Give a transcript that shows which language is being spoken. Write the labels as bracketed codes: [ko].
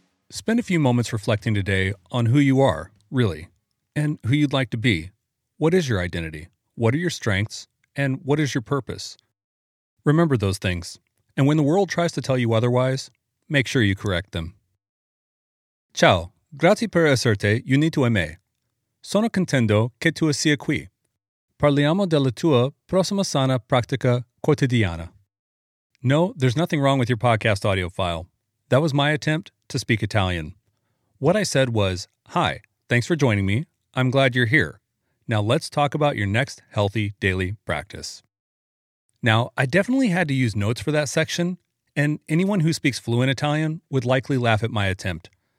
[en] Spend a few moments reflecting today on who you are, really, and who you'd like to be. What is your identity? What are your strengths? And what is your purpose? Remember those things. And when the world tries to tell you otherwise, make sure you correct them. [it] Ciao. Grazie per esserte unito a me. Sono contento che tu sia qui. Parliamo della tua prossima sana pratica quotidiana. [en] No, there's nothing wrong with your podcast audio file. That was my attempt to speak Italian. What I said was, "Hi, thanks for joining me. I'm glad you're here. Now let's talk about your next healthy daily practice." Now, I definitely had to use notes for that section, and anyone who speaks fluent Italian would likely laugh at my attempt.